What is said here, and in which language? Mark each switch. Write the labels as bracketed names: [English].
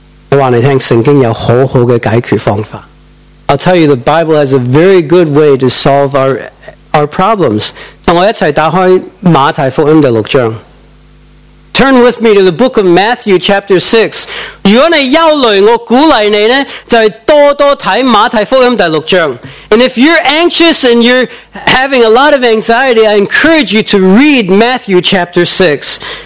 [Cantonese] 我话你听，圣经有好好嘅解决方法。 [English] I'll tell you, the Bible has a very good way to solve our problems. [Cantonese] 同我一齊打開馬太福音第六章。 [English] Turn with me to the book of Matthew chapter 6. [Cantonese] 如果你憂慮，我鼓勵你呢，就係多多睇馬太福音第六章。 [English] And if you're anxious and you're having a lot of anxiety, I encourage you to read Matthew chapter 6.